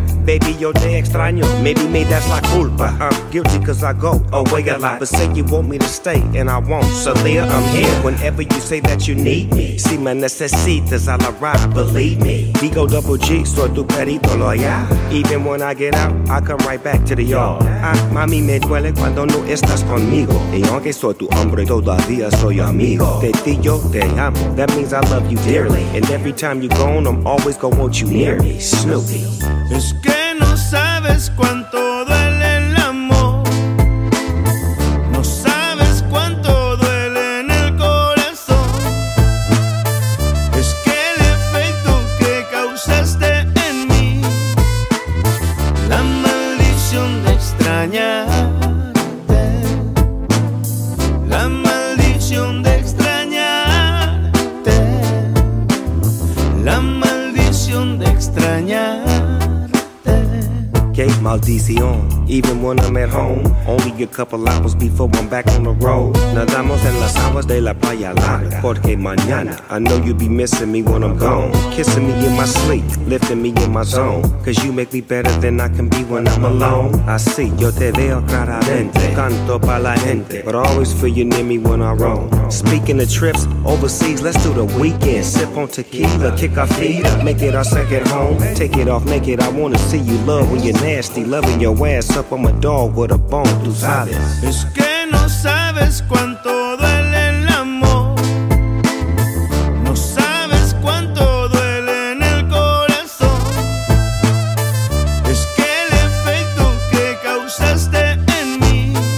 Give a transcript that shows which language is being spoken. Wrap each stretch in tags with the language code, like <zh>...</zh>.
<es>Baby, yo te extraño.</es> <en>Maybe me, that's</en> <es>la culpa.</es> <en>I'm guilty cause I go away a lot. But say you want me to stay, and I won't. So, Leah, I'm here. Whenever you say that you need me,</en> <es>si me necesitas,</es> <en>I'll arrive. Believe me. Digo double G,</en> <es>soy tu perito</es> <en>loyal. Even when I get out, I come right back to the yard.</en> <es>Ah, mami, me duele cuando no estás conmigo. Y aunque soy tu hombre, todavía soy amigo. De ti yo te amo.</es> <en>That means I love you dearly. And every time you're gone, I'm always gonna want you near me. Snoopy.</en> <es>Es que no sabes cuánto duele el amor. No sabes cuánto duele en el corazón. Es que el efecto que causaste en mí. La maldición de extrañarte. La maldición de extrañarte. La maldición de extrañarte.</es> <en>Maldición, even when I'm at home. Only a couple hours before I'm back on the road.</en> <es>Nadamos en las aguas de la playa larga. Porque mañana,</es> <en>I know you'll be missing me when I'm gone. Kissing me in my sleep, lifting me in my zone. Cause you make me better than I can be when I'm alone.</en> <es>Así, yo te veo claramente. Canto pa' la gente.</es> <en>But I always feel you near me when I roam. Speaking of trips, overseas, let's do the weekend. Sip on tequila, kick our feet up. Make it our second home. Take it off, make it, I wanna see you love when you're nasty. Loving your ass up, I'm a dog with a bone,</en> <es>tú sabes. Es que no sabes cuánto duele el amor. No sabes cuánto duele en el corazón. Es que el efecto que causaste en mí.</es>